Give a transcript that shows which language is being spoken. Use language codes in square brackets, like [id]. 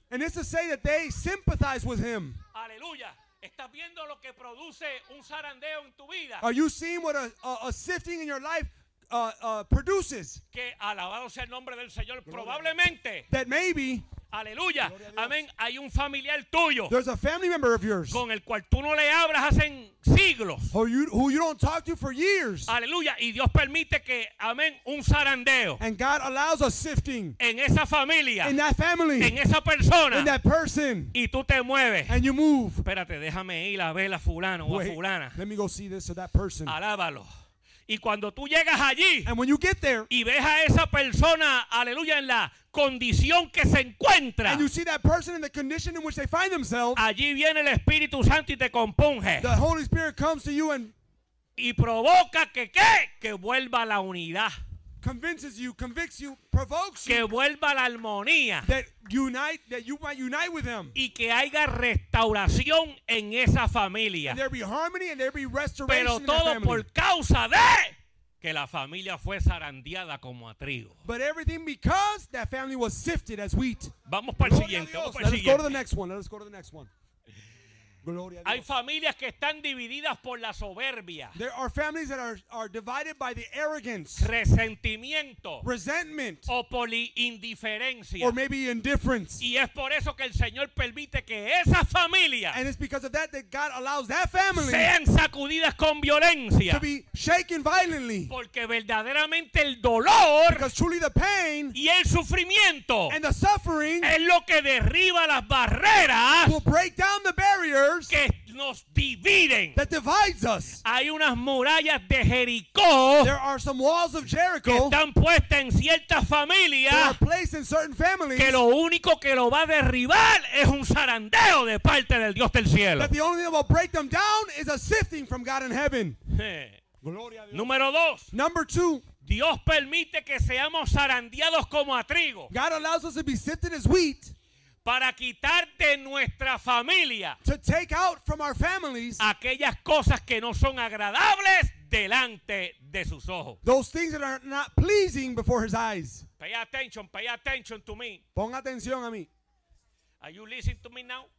[en] And it's to say that they sympathize with him. [es] Aleluya. ¿Estás viendo lo que produce un zarandeo en tu vida? [en] Are you seeing what a sifting in your life produces. [es] Que alabado sea el nombre del Señor. Probablemente. [en] That maybe. [es] Aleluya. Amén. Hay un familiar tuyo. [en] There's a family member of yours. [es] Con el cual tú no le hablas hace siglos. [en] Or you, who you don't talk to for years. [es] Aleluya. Y Dios permite que, amén, un zarandeo. [en] And God allows a sifting. [es] En esa familia. [en] In that family. [es] En esa persona. [en] In that person. [es] Y tú te mueves. [en] And you move. [es] Espérate, déjame ir a ver a fulano o a fulana. [en] Let me go see this or that person. [es] Alábalo. Y cuando tú llegas allí, [en] and when you get there, [es] y ves a esa persona, aleluya, en la condición que se encuentra, [en] and you see that person in the condition in which they find themselves, [es] allí viene el Espíritu Santo y te compunge. [en] The Holy Spirit comes to you and [es] y provoca que ¿qué? Que vuelva la unidad. [en] Convinces you, convicts you, provokes you. [es] Que vuelva la armonía. [en] That you might unite with them. [es] Y que haya restauración en esa familia. [en] And there be harmony and there be restoration in that family. [es] Pero todo por causa de que la familia fue zarandeada como a trigo. [en] But everything because that family was sifted as wheat. [es] Vamos para el siguiente. [en] Let us go to the next one. [es] Gloria a Dios. Hay familias que están divididas por la soberbia. [en] There are families that are divided by the arrogance. [es] Resentimiento. [en] Resentment. [es] O por la indiferencia. [en] Or maybe indifference. [es] Y es por eso que el Señor permite que esa familia. [en] And it's because of that that God allows that family. [es] Sean sacudidas con violencia. [en] To be shaken violently. [es] Porque verdaderamente el dolor. [en] Because truly the pain. [es] Y el sufrimiento. [en] And the suffering. [es] Es lo que derriba las barreras. [en] Will break down the barriers. [es] Que nos dividen. [en] That divides us. [es] Hay unas murallas de Jericó. [en] There are some walls of Jericho. [es] Que están puestas en ciertas familias. [en] That are placed in certain families. [es] Que lo único que lo va a derribar es un zarandeo de parte del Dios del cielo. [en] That the only thing that will break them down is a sifting from God in heaven. [es] Gloria a Dios. Número dos. [en] Number two. [es] Dios permite que seamos zarandeados como a trigo. [en] God allows us to be sifted as wheat. [es] Para quitar de nuestra familia. [en] To take out from our families. [es] Aquellas cosas que no son agradables delante de sus ojos. [en] Those things that are not pleasing before his eyes. Pay attention to me. [es] Pon atención a mí. [en] Are you listening to me now?